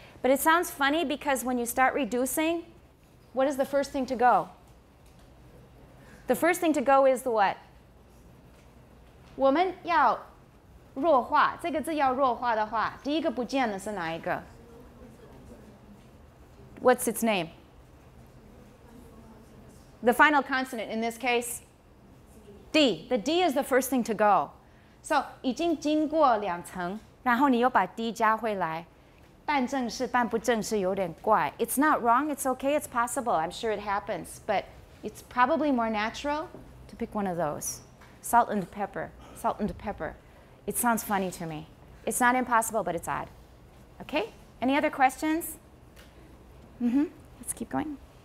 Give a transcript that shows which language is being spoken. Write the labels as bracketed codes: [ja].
[en] But it sounds funny because when you start reducing, what is the first thing to go? The first thing to go is the what? [zh] 我们要弱化, 这个字要弱化的话, 第一个不见的是哪一个? [en] What's its name? The final consonant in this case? D, the D is the first thing to go. [zh] So, 已经经过两层，然后你又把 D 加回来，半正式半不正式有点怪。 [en] It's not wrong, it's okay, it's possible. I'm sure it happens, but it's probably more natural to pick one of those. Salt and pepper, salt and pepper. It sounds funny to me. It's not impossible, but it's odd. Okay, any other questions? Mm-hmm, let's keep going.